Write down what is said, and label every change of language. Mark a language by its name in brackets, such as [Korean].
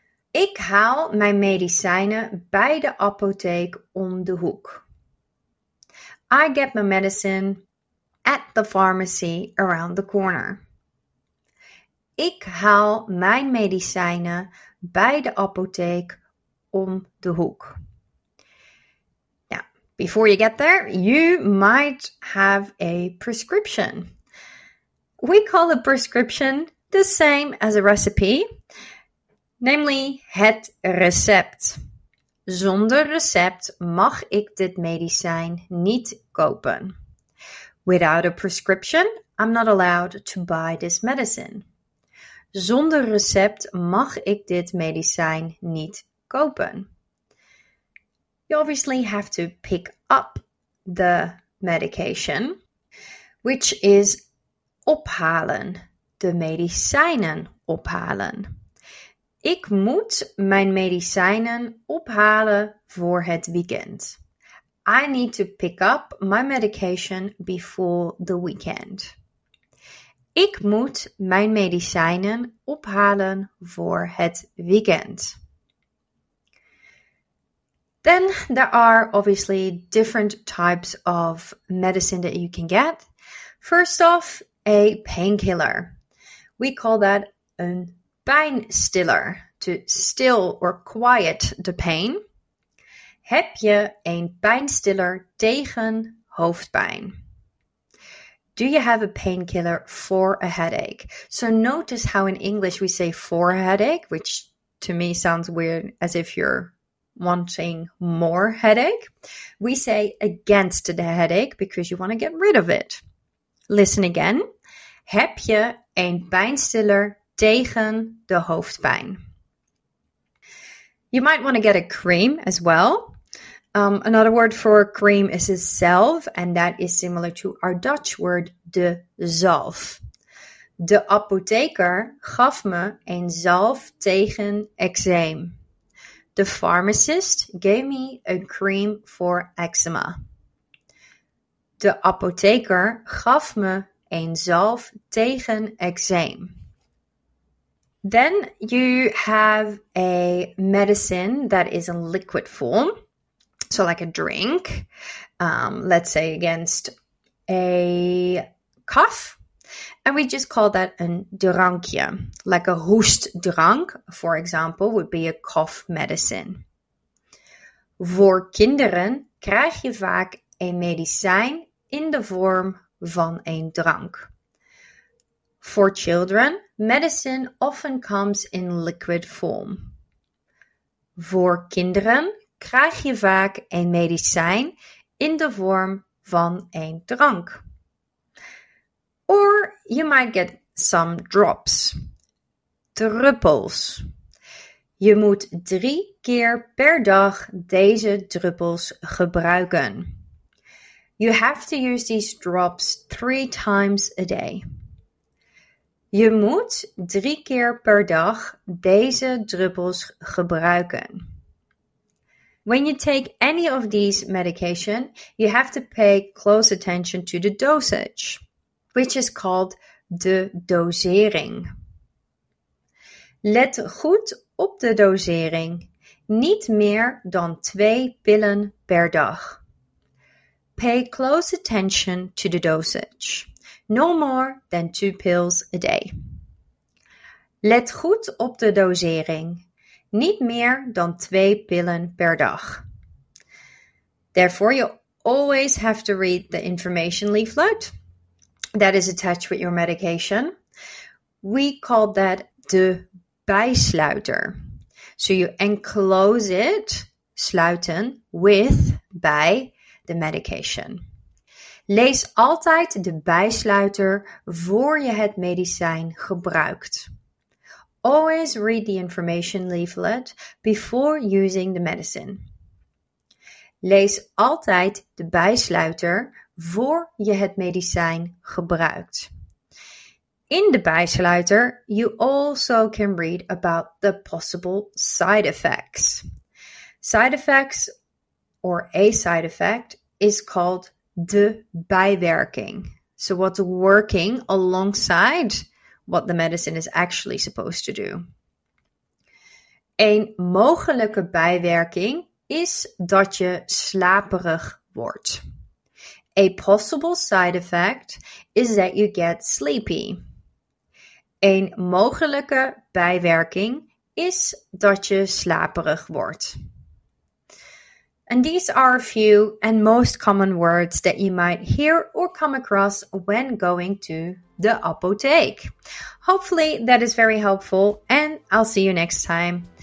[Dutch] Ik haal mijn medicijnen bij de apotheek om de hoek. [English] I get my medicine at the pharmacy around the corner. [Dutch] Ik haal mijn medicijnen bij de apotheek om de hoek. [English] Now, before you get there, you might have a prescription. We call a prescription the same as a recipe, namely [Dutch] het recept. Zonder recept mag ik dit medicijn niet kopen. [English] Without a prescription, I'm not allowed to buy this medicine. [Dutch] Zonder recept mag ik dit medicijn niet kopen. [English] You obviously have to pick up the medication, which is ophalen. [Dutch] De medicijnen ophalen. Ik moet mijn medicijnen ophalen voor het weekend. [English] I need to pick up my medication before the weekend. [Dutch] Ik moet mijn medicijnen ophalen voor het weekend. [English] Then there are obviously different types of medicine that you can get. First off, a painkiller. We call that [Dutch] een pijnstiller, [English] to still or quiet the pain. [Dutch] Heb je een pijnstiller tegen hoofdpijn? [English] Do you have a painkiller for a headache? So notice how in English we say for a headache, which to me sounds weird, as if you're wanting more headache. We say against the headache because you want to get rid of it. Listen again. [Dutch] Heb je een pijnstiller tegen de hoofdpijn? [English] You might want to get a cream as well. Another word for cream is a salve, and that is similar to our Dutch word [Dutch] de zalf. De apotheker gaf me een zalf tegen eczeem. [English] The pharmacist gave me a cream for eczema. [Dutch] De apotheker gaf me een zalf tegen eczeem. [English] Then you have a medicine that is in liquid form. So like a drink. Let's say against a cough. And we just call that [Dutch] een drankje. [English] Like a hoestdrank, for example, would be a cough medicine. [Dutch] Voor kinderen krijg je vaak een medicijn in de vorm van een drank. [English] For children, medicine often comes in liquid form. [Dutch] Voor kinderen krijg je vaak een medicijn in de vorm van een drank. [English] Or you might get some drops. Druppels. [Dutch] Je moet 3 keer per dag deze druppels gebruiken. [English] You have to use these drops 3 times a day. [Dutch] Je moet 3 keer per dag deze druppels gebruiken. [English] When you take any of these medication, you have to pay close attention to the dosage, which is called [Dutch] de dosering. Let goed op de dosering. Niet meer dan 2 pillen per dag. [English] Pay close attention to the dosage. No more than 2 pills a day. [Dutch] Let goed op de dosering. Niet meer dan 2 pillen per dag. [English] Therefore, you always have to read the information leaflet that is attached with your medication. We call that [Dutch] de bijsluiter. [English] So you enclose it, sluiten, with, by the medication. [Dutch] Lees altijd de bijsluiter voor je het medicijn gebruikt. [English] Always read the information leaflet before using the medicine. [Dutch] Lees altijd de bijsluiter voor je het medicijn gebruikt. In de bijsluiter, [English] you also can read about the possible side effects. Side effects, or a side effect, is called [Dutch] de bijwerking. [English] So what's working alongside what the medicine is actually supposed to do. [Dutch] Een mogelijke bijwerking is dat je slaperig wordt. [English] A possible side effect is that you get sleepy. [Dutch] Een mogelijke bijwerking is dat je slaperig wordt. [English] And these are a few and most common words that you might hear or come across when going to the apotheek. Hopefully that is very helpful and I'll see you next time.